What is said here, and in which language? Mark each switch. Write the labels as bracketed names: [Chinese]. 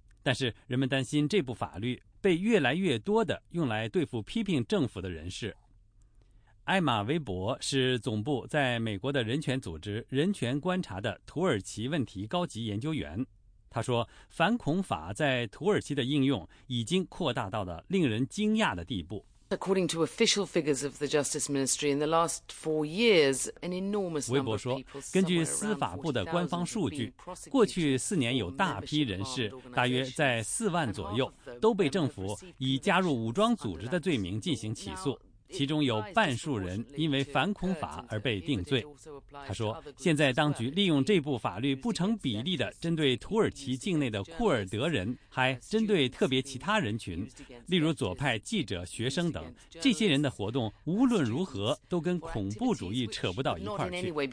[Chinese] 但是人们担心这部法律被越来越多的用来对付批评政府的人士。艾玛·韦伯是总部在美国的人权组织人权观察的土耳其问题高级研究员。他说，反恐法在土耳其的应用已经扩大到了令人惊讶的地步。 [English] According to official figures of the Justice Ministry, in the last 4 years, an enormous number of people. [Chinese] 说，根据司法部的官方数据，过去四年有大批人士，大约在40,000左右，都被政府以加入武装组织的罪名进行起诉。其中有半数人因为反恐法而被定罪。他说，现在当局利用这部法律不成比例地针对土耳其境内的库尔德人，还针对特别其他人群，例如左派记者、学生等，这些人的活动无论如何都跟恐怖主义扯不到一块儿去。